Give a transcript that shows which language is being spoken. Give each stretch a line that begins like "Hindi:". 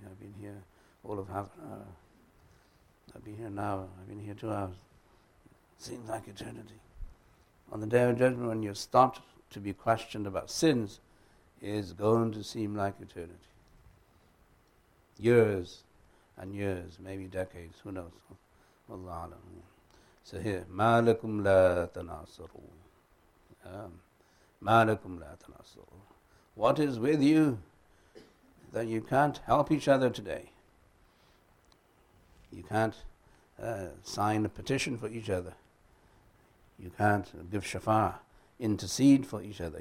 English: I've been here all of half an hour. I've been here an hour. I've been here 2 hours. Seems like eternity. On the Day of Judgment, when you're stopped to be questioned about sins, is going to seem like eternity. Years and years, maybe decades, who knows? Allah alam. So here,
Arabic: مَالَكُمْ لَا تَنَاصَرُونَ. مَالَكُمْ لَا تَنَاصَرُونَ.
English: What is with you that you can't help each other today? You can't sign a petition for each other. You can't give shafa, intercede for each other.